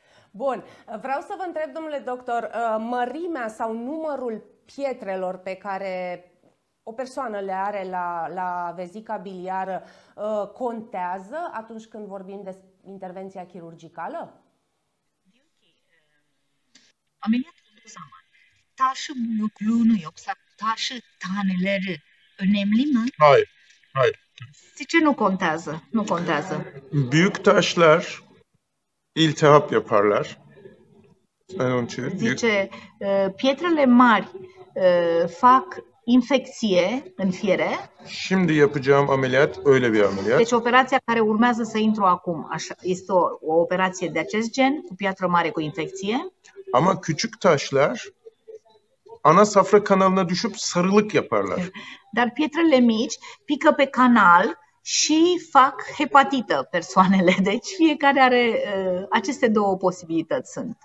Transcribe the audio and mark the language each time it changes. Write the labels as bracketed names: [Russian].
[Romanian] Bun, vreau să vă întreb, domnule doctor, mărimea sau numărul pietrelor pe care o persoană le are la vezica biliară contează atunci când vorbim de intervenția chirurgicală? [Turkish] Ameliyat olduğu zaman taşı büyüklüğünü yoksa taşı taneleri önemli mi? Hayır. [Romanian] Sizce nu contează? Nu contează. [Turkish] Büyük taşlar iltihap yaparlar. [Romanian] Zice, pietrele mari fac infecție în fiere. [Turkish] Şimdi yapacağım ameliyat öyle bir ameliyat. [Romanian] Deci operația care urmează să intru acum așa, este o operație de acest gen, cu piatră mare cu infecție. [Turkish] Ama küçük taşlar ana safra kanalına düşüp sarılık yaparlar. [Romanian] Dar pietrele mici pică pe canal și fac hepatită persoanele. Deci fiecare are aceste două posibilități sunt.